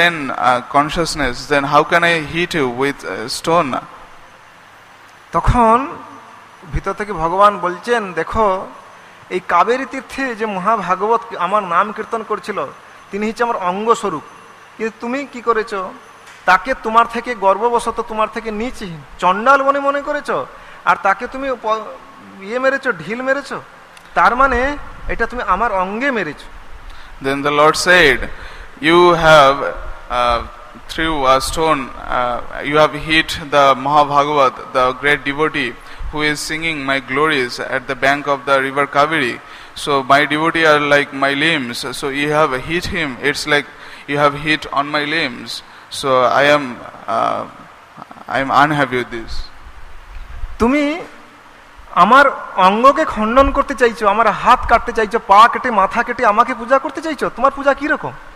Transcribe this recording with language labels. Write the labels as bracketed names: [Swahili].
[English] I am in sane consciousness, then how can I hit you with a stone? [Bangla] তখন ভিতর থেকে ভগবান বলছেন, দেখো এই কাবেরী তীর্থে যে মহাভাগবত আমার নাম কীর্তন করছিল, তিনি হচ্ছে আমার অঙ্গ স্বরূপ, কিন্তু তুমি কি করেছো, তাকে তোমার থেকে গর্ববশত, তোমার থেকে নিচ চণ্ডাল বনে মনে করেছো, আর তাকে তুমি ইয়ে মেরেছো, ঢিল মেরেছো, তার মানে এটা তুমি আমার অঙ্গে মেরেছো. [English] Then the Lord said, you have threw a stone, you have hit the Mahabhagavat, the great devotee who is singing my glories at the bank of the river Kaveri. So my devotee are like my limbs, so you have hit him, it's like you have hit on my limbs. So I am unhappy with this. [Bangla] তুমি আমার অঙ্গকে খণ্ডন করতে চাইছো, আমার হাত কাটতে চাইছো, পা কেটে মাথা কেটে আমাকে পূজা করতে চাইছো, তোমার পূজা কি রকম?